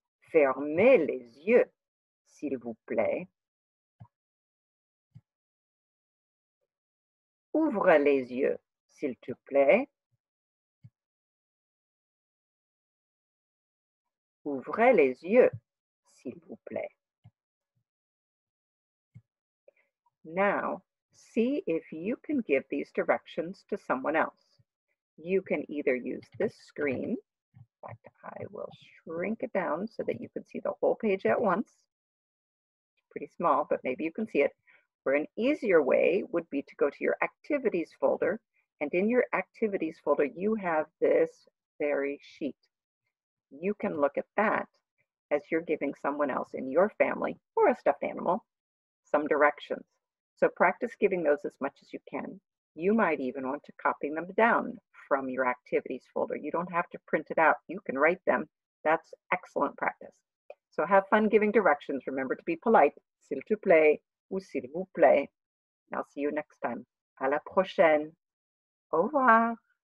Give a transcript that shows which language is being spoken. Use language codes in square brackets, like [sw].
[fr] Fermez les yeux, s'il vous plaît. Ouvre les yeux, s'il te plaît. Ouvrez les yeux, s'il vous plaît. [en] Now, see if you can give these directions to someone else. You can either use this screen. In fact, I will shrink it down so that you can see the whole page at once. It's pretty small, but maybe you can see it. Or an easier way would be to go to your activities folder. And in your activities folder, you have this very sheet. You can look at that as you're giving someone else in your family or a stuffed animal some directions. So practice giving those as much as you can. You might even want to copy them down from your activities folder. You don't have to print it out. You can write them. That's excellent practice. So have fun giving directions. Remember to be polite, [fr] s'il te plaît ou s'il vous plaît. [en] And I'll see you next time. [fr] À la prochaine. Au revoir.